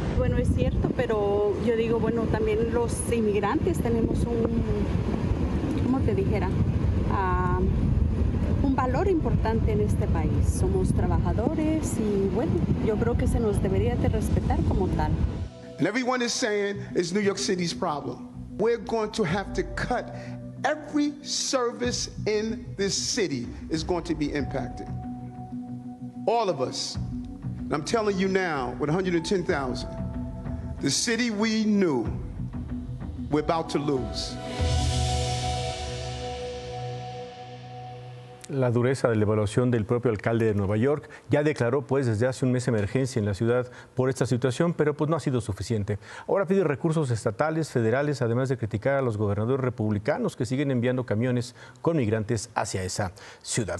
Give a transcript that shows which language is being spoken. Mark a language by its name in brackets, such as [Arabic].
[Spanish] Bueno, es cierto, pero yo digo, bueno, también los inmigrantes tenemos un valor importante en este país. Somos trabajadores y bueno, yo creo que se nos debería de respetar como tal. [English] And everyone is saying it's New York City's problem. We're going to have to cut every service in this city is going to be impacted. All of us. And I'm telling you now, with 110,000, the city we knew, we're about to lose. [Spanish] La dureza de la evaluación del propio alcalde de Nueva York ya declaró pues desde hace un mes emergencia en la ciudad por esta situación, pero pues no ha sido suficiente. Ahora pide recursos estatales, federales, además de criticar a los gobernadores republicanos que siguen enviando camiones con migrantes hacia esa ciudad.